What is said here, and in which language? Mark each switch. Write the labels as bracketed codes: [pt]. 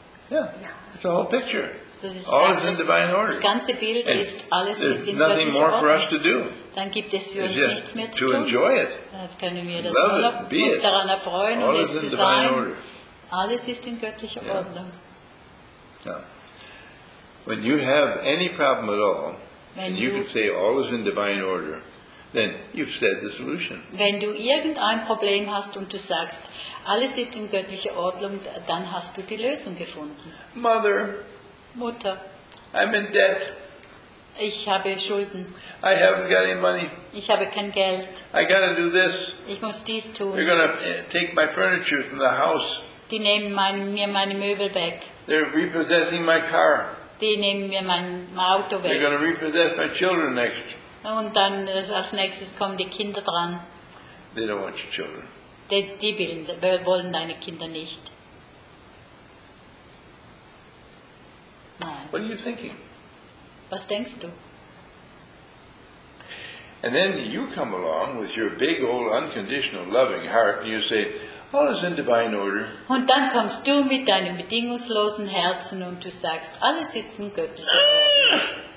[en] Yeah, it's a whole picture. All is in divine order. [de] Das ganze Bild ist alles ist in göttlicher Ordnung. [en] Nothing more for us to do. [de] Dann gibt es für uns nichts mehr zu tun. [en] To enjoy it. [de] Dann können wir das nur uns daran erfreuen und es zu sein. Alles ist in göttlicher Ordnung. [en] When you have any problem at all, and you can say all is in divine order, then you've said the solution. [de] Wenn du irgendein Problem hast und du sagst, alles ist in göttlicher Ordnung, dann hast du die Lösung gefunden. [en] Mother, [de] Mutter, [en] I'm in debt. [de] Ich habe Schulden. [en] I haven't got any money. [de] Ich habe kein Geld. [en] I gotta do this. [de] Ich muss dies tun. [en] You're gonna take my furniture from the house. [de] Die nehmen meine Möbel weg. [en] They're repossessing my car. [de] Die nehmen mir mein Auto weg. [en] They're going to repossess my children next. [de] Und dann als nächstes kommen die Kinder dran. [en] They don't want your children. [de] Die wollen deine Kinder nicht. Nein. [en] What are you thinking? [de] Was denkst du? [en] And then you come along with your big old unconditional loving heart and you say, all is in divine order. [de] Und dann kommst du mit deinem bedingungslosen Herzen und du sagst, alles ist in göttlicher Ordnung.